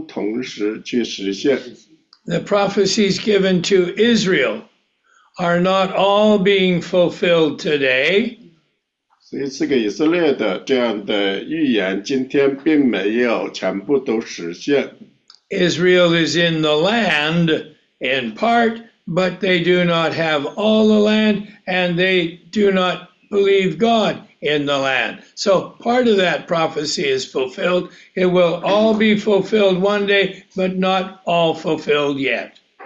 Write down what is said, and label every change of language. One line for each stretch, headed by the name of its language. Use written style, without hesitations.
Chinese: 因为我不知道怎么回答你这个问题，但是说呢，那个赐给那个就是亚伯拉罕、以撒、雅各、约瑟他们的那样的应许，并不是说是在每一个时间、每一代人身上都同时去实现。The
English: prophecies given to Israel are not all being fulfilled today.
Chinese: 所以赐给以色列的这样的预言，今天并没有全部都实现。
English: Israel is in the land in part, but they do not have all the land, and they do not believe God in the land. So part of that prophecy is fulfilled. It will all be fulfilled one day, but not all fulfilled yet.